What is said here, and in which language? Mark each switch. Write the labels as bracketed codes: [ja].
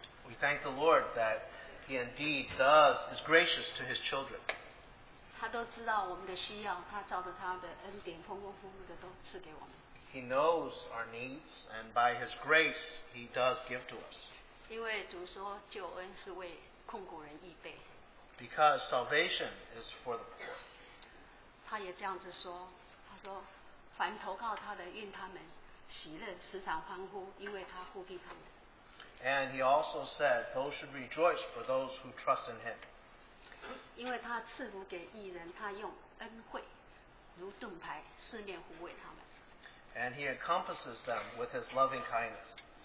[en] We thank the Lord that he indeed does is gracious to his children. [zh] 他都知道我们的需要，他照着他的恩典丰丰富富的都赐给我们。 [en] He knows our needs, and by His grace, He does give to us. Because salvation is for the poor. [zh] 他也这样子说，他说，凡投靠他的，愿他们喜乐，时常欢呼，因为他护庇他们。 [en] And He also said, those should rejoice for those who trust in Him. [zh] 因为他赐福给义人，他用恩惠如盾牌，四面护卫他们。 [en] And he encompasses them with his loving kindness.